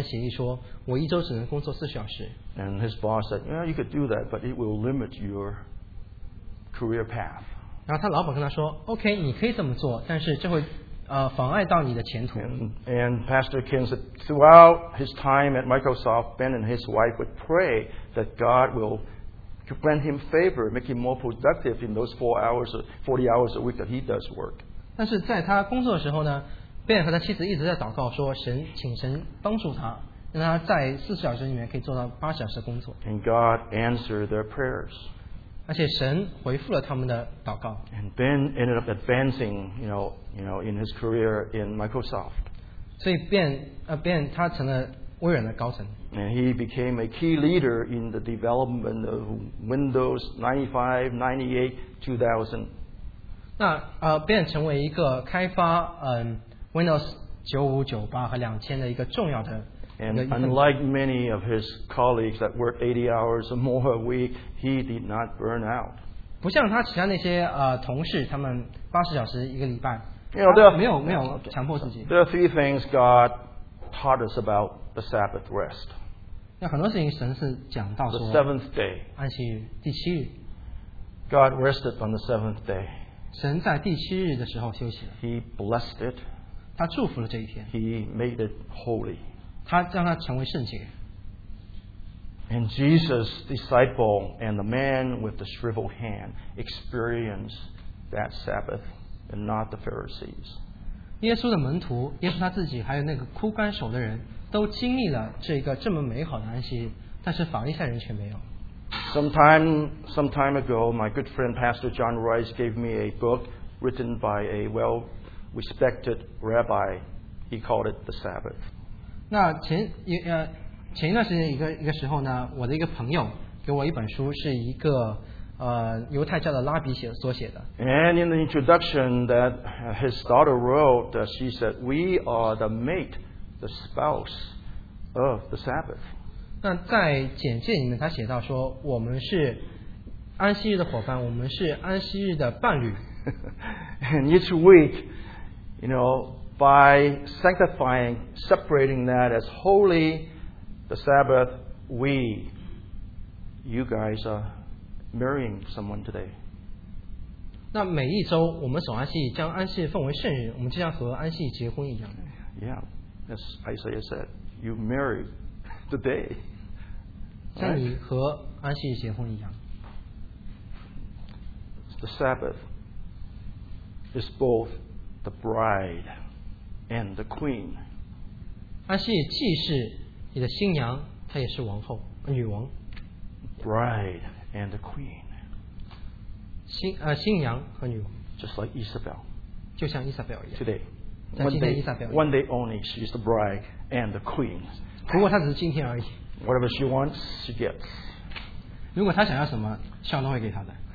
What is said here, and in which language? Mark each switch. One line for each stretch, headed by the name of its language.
Chinese: 那当Ben和他老板说，我跟我妻子达成协议，说我一周只能工作40小时。
English: And his boss said, yeah, you could do that, but it will limit your career path.
Chinese: 然后他老板跟他说，OK，你可以这么做，但是这会。妨碍到你的前途。
English: And Pastor Ken said, throughout his time at Microsoft, Ben and his wife would pray that God will grant him favor, make him more productive in those 4 hours, 40 hours a week that he does work.
Chinese: 但是在他工作的时候呢， Ben和他妻子一直在祷告说， 请神帮助他， 让他在40小时里面可以做到8小时的工作。
English: And God answered their prayers.
Chinese: 而且神回复了他们的祷告。
English: And Ben ended up advancing, you know, in his career in Microsoft.
Chinese: 所以Ben他成了微软的高层。
English: And he became a key leader in the development of Windows 95, 98, 2000.
Chinese: 那Ben成为一个开发Windows 95, 98和2000的一个重要的
English: And unlike many of his colleagues that worked 80 hours or more a week, he did not burn out.
Chinese: 不像他其他那些同事，他们八十小时一个礼拜，没有强迫自己。
English: There are three things God taught us about the Sabbath rest.
Chinese: 那很多事情神是讲到说。
English: The seventh day.
Chinese: 安息日，第七日。
English: God rested on the seventh day.
Chinese: 神在第七日的时候休息了。
English: He blessed it.
Chinese: 他祝福了这一天。
English: He made it holy.
Chinese: 他让它成为圣洁。
English: And Jesus' disciple and the man with the shriveled hand experienced that Sabbath and not the Pharisees.
Chinese: 耶稣的门徒，耶稣他自己，还有那个枯干手的人，都经历了这个这么美好的安息，但是法利赛人却没有。
English: Some time ago, my good friend Pastor John Rice gave me a book written by a well-respected rabbi. He called it The Sabbath.
Chinese: 那前一段时间一个时候呢，我的一个朋友给我一本书，是一个犹太教的拉比所写的。
English: And in the introduction that his daughter wrote, she said, "We are the mate, the spouse of the Sabbath."
Chinese: 那在简介里面，他写到说，我们是安息日的伙伴，我们是安息日的伴侣。
English: And each week, you know, by sanctifying, separating that as holy. The Sabbath, you guys are marrying someone today.
Chinese: 那每一周我们守安息，将安息奉为圣日，我们就像和安息结婚一样。
English: Yeah, as Isaiah said, you marry today.
Chinese: 像你和安息结婚一样。
English: The Sabbath is both the bride and the queen.
Chinese: 安息既是你的新娘，她也是王后，女王。
English: Bride and the queen.
Chinese: 新娘和女王。
English: Just like Isabel.
Chinese: 就像伊莎贝尔一样。
English: Today.
Chinese: 像今天伊莎贝尔。
English: One day only, she's the bride and the queen.
Chinese: 不过她只是今天而已。
English: Whatever she wants, she gets.
Chinese: 如果她想要什么，上帝会给她的。